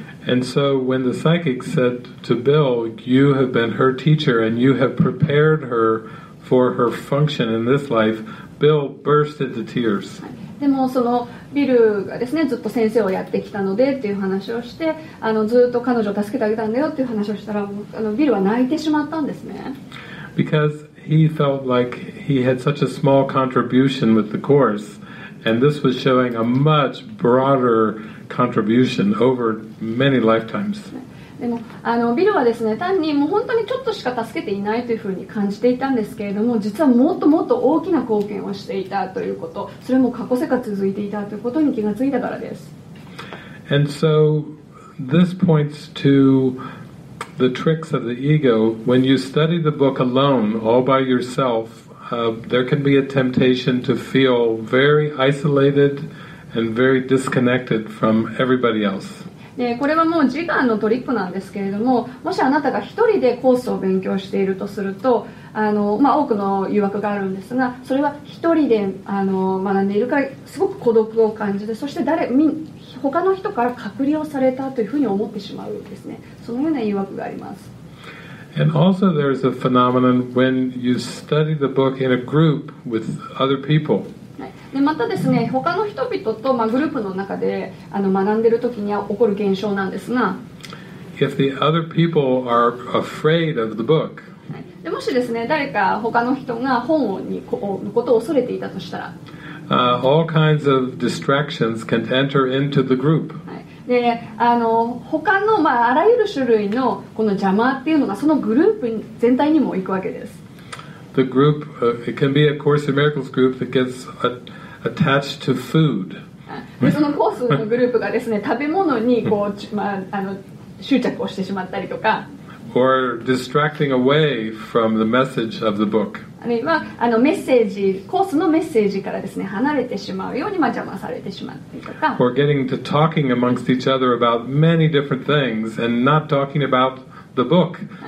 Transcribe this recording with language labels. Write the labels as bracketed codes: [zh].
[en] And so when the psychic said to Bill, you have been her teacher and you have prepared her for her function in this life, Bill burst into tears、はい。 [ja] でもそのビルがですね、ずっと先生をやってきたのでっていう話をして、あのずっと彼女を助けてあげたんだよっていう話をしたら、あのビルは泣いてしまったんですね。 [en] Because he felt like he had such a small contribution with the course, and this was showing a much broader contribution over many lifetimes. [ja] でもあのビルはですね、単にもう本当にちょっとしか助けていないというふうに感じていたんですけれども、実はもっともっと大きな貢献をしていたということ、それも過去世が続いていたということに気がついたからです。 [en] And so this points to the tricks of the ego. When you study the book alone, all by yourself, there can be a temptation to feel very isolated and very disconnected from everybody else. [ja] でこれはもう自我のトリックなんですけれども、もしあなたが一人でコースを勉強しているとすると、あの、まあ、多くの誘惑があるんですが、それは一人であの学んでいるからすごく孤独を感じて、そして他の人から隔離をされたというふうに思ってしまうんですね。そのような誘惑があります。 [en] And also there is a phenomenon when you study the book in a group with other people [ja] でまたですね、他の人々と、まあ、グループの中であの学んでいるときに起こる現象なんですが、 [en] If the other people are afraid of the book, [ja] でもしですね、誰か他の人が本にことを恐れていたとしたら、 [en] All kinds of distractions can enter into the group. [ja] で、あの他の、まあ、あらゆる種類のこの邪魔っていうのがそのグループ全体にも行くわけです。 [en] The group, it can be a Course in Miracles group that gets attached to food. [ja] そのコースのグループがですね、食べ物にこう、まあ、あの執着をしてしまったりとか。 [en] Or distracting away from the message of the book. [ja] あるいは、あのメッセージ、コースのメッセージからですね、離れてしまうように、まあ、邪魔されてしまったりとか。 [en] Or getting to talking amongst each other about many different things and not talking aboutThe book.